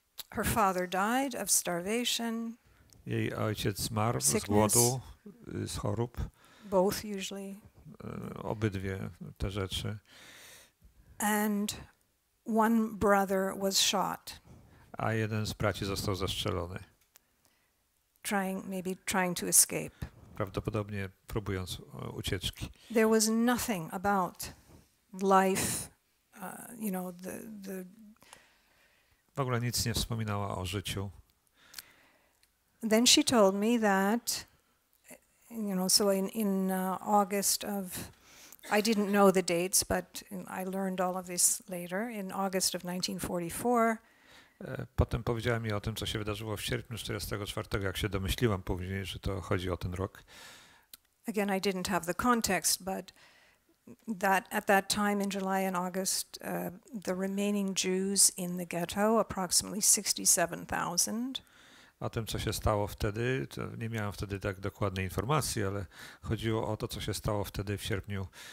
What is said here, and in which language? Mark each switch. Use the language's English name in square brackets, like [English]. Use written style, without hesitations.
[English] Her father died of starvation. [Polish] Jej ojciec zmarł z głodu, z chorób. [English] Both usually. [Polish] Obydwie te rzeczy. [English] And one brother was shot. [Polish] A jeden z braci został zastrzelony. [English] Trying to escape. [Polish] Prawdopodobnie próbując ucieczki. [English] There was nothing about life, you know, the [Polish] w ogóle nic nie wspominała o życiu. [English] Then she told me that, you know, so in August of, I didn't know the dates, but I learned all of this later, in August of 1944, [Polish] potem powiedziała mi o tym, co się wydarzyło w sierpniu 1944, jak się domyśliłam później, że to chodzi o ten rok. [English] Again, I didn't have the context, but that at that time in July and August, the remaining Jews in the ghetto, approximately 67,000. [Polish] O tym, co się stało wtedy, to nie miałam wtedy tak dokładnej informacji, ale chodziło o to, co się stało wtedy w sierpniu